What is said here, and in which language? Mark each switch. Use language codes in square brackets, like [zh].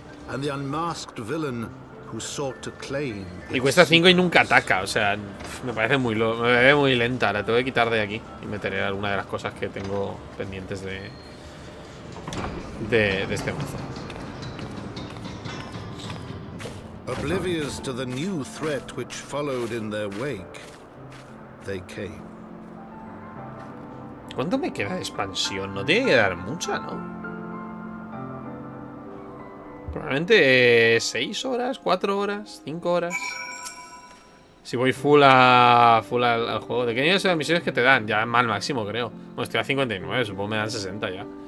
[en] And the unmasked villain who sought to claim. [es] Y cuesta 5 y nunca ataca, o sea, me parece muy lenta. La tengo que quitar de aquí y meteré alguna de las cosas que tengo pendientes de este mazo. [en] Oblivious to the new threat which followed in their wake, they came. [es] ¿Cuánto me queda de expansión? No tiene que dar mucha, ¿no? Probablemente 6 horas, 4 horas, 5 horas. Si voy full al juego. ¿De qué nivel son las misiones que te dan? Ya mal máximo, creo. Bueno, estoy a 59, supongo me dan 60 ya.